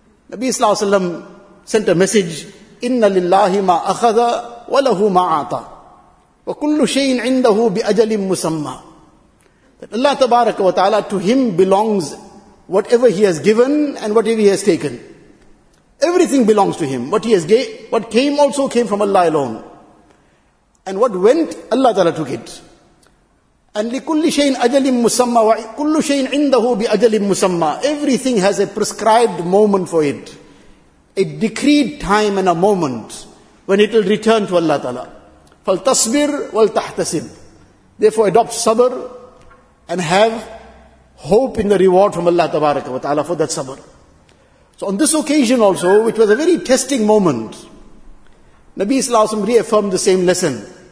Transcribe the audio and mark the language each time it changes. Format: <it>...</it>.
<en>Nabi sallallahu alaihi wasallam sent a message,</en> <ar>إِنَّ لِلَّهِ مَا أَخَذَ وَلَهُ مَا عَطَى وَكُلُّ شَيْءٍ عِنْدَهُ بِأَجَلٍ مُسَمَّى</ar> <en>That Allah tabaraka wa ta'ala, to Him belongs whatever He has given and whatever He has taken. Everything belongs to Him. What He has gave, what came also came from Allah alone. And what went, Allah ta'ala took it.</en> <ar>And لِكُلِّ شَيْءٍ أَجَلٍ مُسَمَّى وَكُلُّ شَيْءٍ عِنْدَهُ بِأَجَلٍ مُسَمَّى</ar> <en>Everything has a prescribed moment for it. A decreed time and a moment when it will return to Allah Ta'ala.</en> <ar>فَالْتَصْبِرْ وَالْتَحْتَسِبْ</ar> <en>Therefore adopt sabr and have hope in the reward from Allah Tabaraka wa Ta'ala for that sabr. So on this occasion also, which was a very testing moment, Nabi Sallallahu Alaihi Wasallam reaffirmed the same lesson.</en>